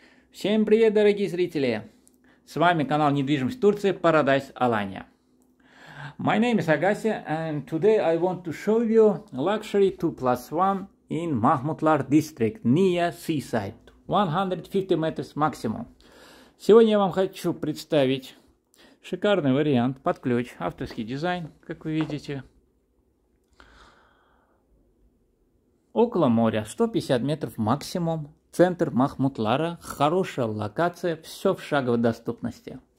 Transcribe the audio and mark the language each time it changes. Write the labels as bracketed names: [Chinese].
[Russian] Всем привет, дорогие зрители! С вами канал Недвижимость Турции, Парадайз Алания. [English] My name is Agassi and today I want to show you luxury 2 plus 1 in Mahmutlar district near seaside. 150 meters maximum. [Russian] Сегодня я вам хочу представить шикарный вариант под ключ, авторский дизайн, как вы видите. Около моря, 150 метров максимум, центр Махмутлара, хорошая локация, все в шаговой доступности.